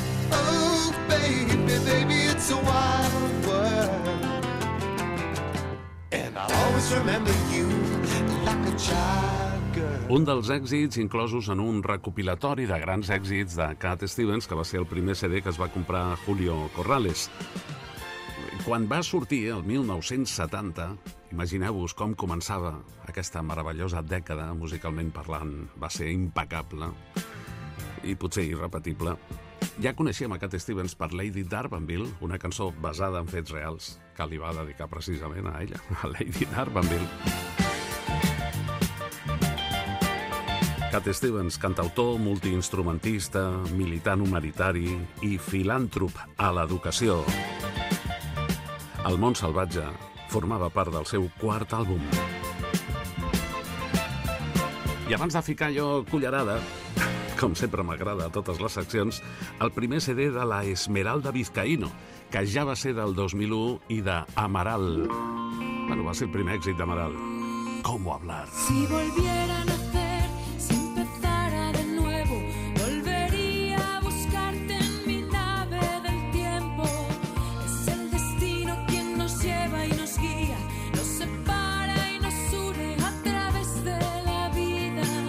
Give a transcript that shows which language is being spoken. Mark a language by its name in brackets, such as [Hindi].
[English] Oh baby, baby, it's a wild world. And I'll always remember you like a child. [Catalan] Un dels èxits inclosos en un recopilatori de grans èxits de Cat Stevens, que va ser el primer CD que es va comprar Julio Corrales. Quan va sortir el 1970, imagineu-vos com començava aquesta meravellosa dècada, musicalment parlant, va ser impecable i potser irrepetible. Ja coneixíem a Cat Stevens per Lady Darbanville, una cançó basada en fets reals que li va dedicar precisament a ella, a Lady Darbanville. Cat Stevens, cantautor, multiinstrumentista, militant humanitari i filàntrop a l'educació. El món salvatge formava part del seu quart àlbum. I abans de ficar jo cullerada, com sempre m'agrada a totes les seccions, el primer CD de la Esmeralda Vizcaíno, que ja va ser del 2001 i de Amaral. Bueno, va ser el primer èxit d'Amaral. [Spanish] ¿Cómo hablar? Si volviera a nacer, si empezara de nuevo, volvería a buscarte en mi nave del tiempo. Es el destino quien nos lleva y nos guía, nos separa y nos une a través de la vida.